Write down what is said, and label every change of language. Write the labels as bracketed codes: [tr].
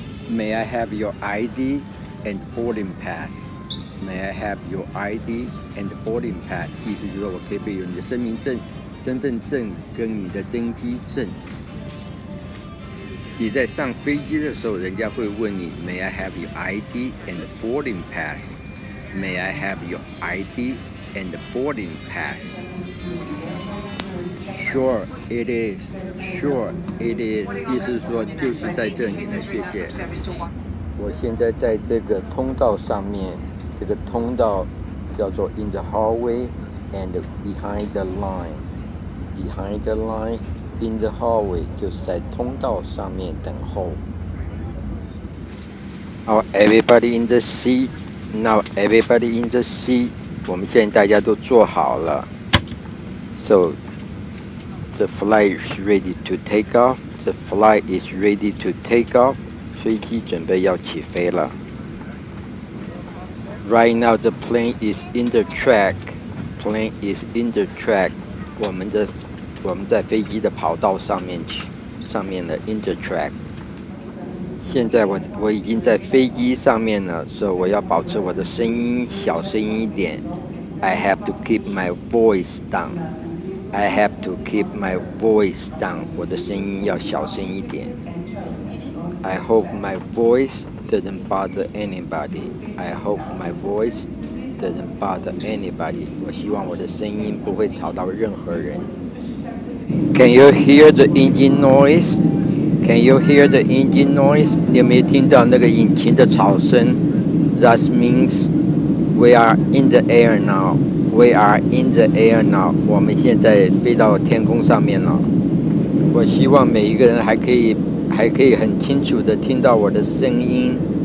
[en] May I have your ID and boarding pass? May I have your ID and boarding pass? [zh] 意思就是我可以有你的身名证、身份证跟你的登机证。你在上飞机的时候，人家会问你 ， [en] May I have your ID and boarding pass? May I have your ID and boarding pass? Sure, it is. [zh] 意思说就是在这里的，谢谢。我现在在这个通道上面，这个通道叫做 [en] in the hallway and behind the line. [zh] Behind the line. [en] In the hallway [zh] 就是在通道上面等候。 [en] Now everybody in the seat. Now everybody in the seat. [zh] 我们现在大家都坐好了。 [en] So the flight is ready to take off. The flight is ready to take off. [zh] 飞机准备要起飞了。 [en] Right now the plane is in the track. Plane is in the track. [zh] 我们在飞机的跑道上面去，上面的 [en] in the track。 [zh] 现在我已经在飞机上面了，所以我要保持我的声音小声音一点。 [en] I have to keep my voice down. I have to keep my voice down. [zh] 我的声音要小声一点。 [en] I hope my voice doesn't bother anybody. I hope my voice doesn't bother anybody. [zh] 我希望我的声音不会吵到任何人。 [en] Can you hear the engine noise? Can you hear the engine noise? [zh] 你有没有听到那个引擎的吵声？ [en] That means we are in the air now. We are in the air now. [zh] 我们现在飞到天空上面了。我希望每一个人还可以很清楚地听到我的声音。